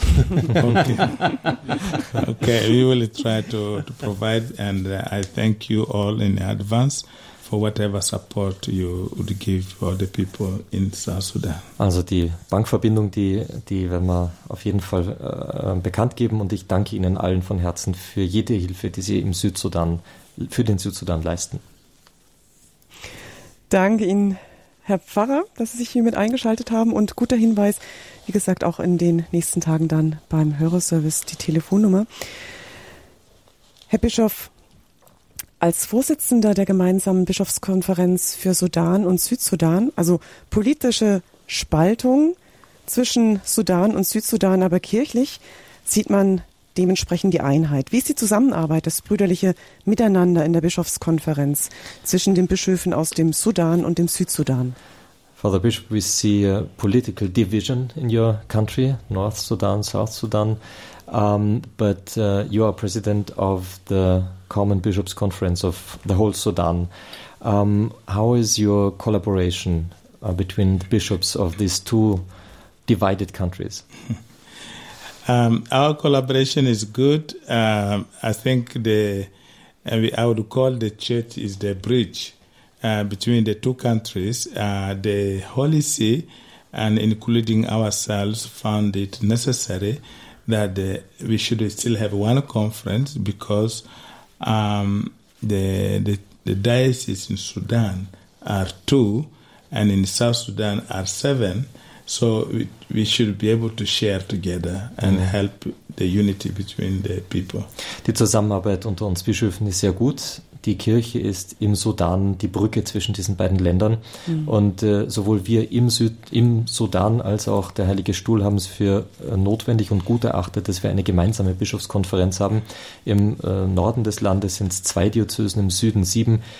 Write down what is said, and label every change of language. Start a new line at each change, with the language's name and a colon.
English: Okay, we will try to provide, and I thank you all in advance for whatever support you would give for the people in South Sudan.
German: Also die Bankverbindung, die werden wir auf jeden Fall bekannt geben, und ich danke Ihnen allen von Herzen für jede Hilfe, die Sie im Südsudan, für den Südsudan leisten. Danke Ihnen, Herr Pfarrer, dass Sie sich hier mit eingeschaltet haben, und guter Hinweis, wie gesagt, auch in den nächsten Tagen dann beim Hörerservice die Telefonnummer. Herr Bischof, als Vorsitzender der gemeinsamen Bischofskonferenz für Sudan und Südsudan, also politische Spaltung zwischen Sudan und Südsudan, aber kirchlich, sieht man dementsprechend die Einheit. Wie ist die Zusammenarbeit, das brüderliche Miteinander in der Bischofskonferenz zwischen den Bischöfen aus dem Sudan und dem Südsudan?
English: Father Bishop, we see a political division in your country, North Sudan, South Sudan, but you are president of the Common Bishops' Conference of the whole Sudan. How is your collaboration between the bishops of these two divided countries? Our collaboration is good. I would call the church is the bridge between the two countries. The Holy See, and including ourselves, found it necessary that we should still have one conference, because the dioceses in Sudan are two, and in South Sudan are seven. So we should be able to share together and help the unity between the people.
German: Die Zusammenarbeit unter uns Bischöfen ist sehr gut. Die Kirche ist im Sudan die Brücke zwischen diesen beiden Ländern. Mhm. Und sowohl wir im Sudan als auch der Heilige Stuhl haben es für notwendig und gut erachtet, dass wir eine gemeinsame Bischofskonferenz haben. Im Norden des Landes sind es zwei Diözesen, im Süden sieben.